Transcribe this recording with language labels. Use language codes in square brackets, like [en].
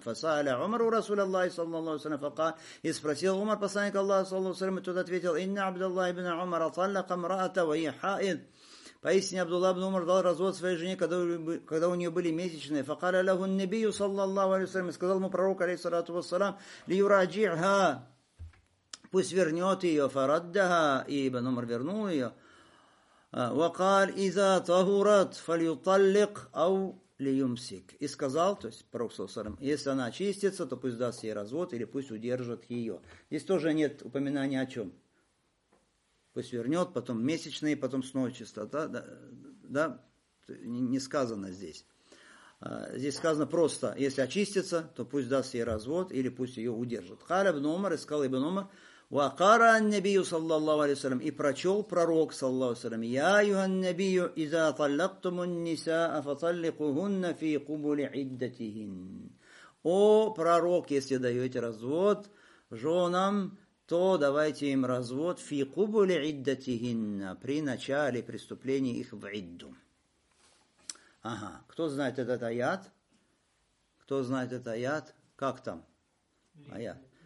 [ar] Фасааля Умару Расулиллахи, [ru] саллаллаху алейхи ва саллям, фака. И спросил Умар посланника Аллаха, саллаллаху алейхи ва саллям, и тот ответил, [ar] «Инна Абдуллах Ибн Умара таллака мраата ва хия хаид». [ru] Поистине Абдуллах Ибн Умар дал развод своей жене, когда у нее были месячные. [ar] Факаля лаху ан-набию, [ru] саллаллаху алейхи ва саллям, и сказал ему пророк, алейхи саллату ва саллям, [ar] «Ли юраджиха, [ru] пусть вернет ее, фараддаха». И Ибн Умар вернул ее. [ar] وقال إذا طهرت فليطلق أو ليمسك. [ru] И сказал, то есть пророк саллаллаху алейхи ва саллям, если она очистится, то пусть даст ей развод или пусть удержит ее. Здесь тоже нет упоминания о чем. Пусть вернет, потом месячные, потом снова чистота. Да? Не сказано здесь. Здесь сказано просто, если очистится, то пусть даст ей развод или пусть ее удержит. Хал ибн Умар, искал ибн Умар, [ar] وقرأ النبي صلى الله عليه وسلم [ru] и прочел пророк [ar] صلى الله عليه وسلم يا أيها النبي إذا طلقتم النساء فطلقوهن في قبل عدتهن. [ru] О, пророк, если даете развод женам, то давайте им развод [ar] في قبل عدتهن, [ru] при начале преступления их в عدду. Ага, кто знает этот аят? Кто знает этот аят? Как там? Аят.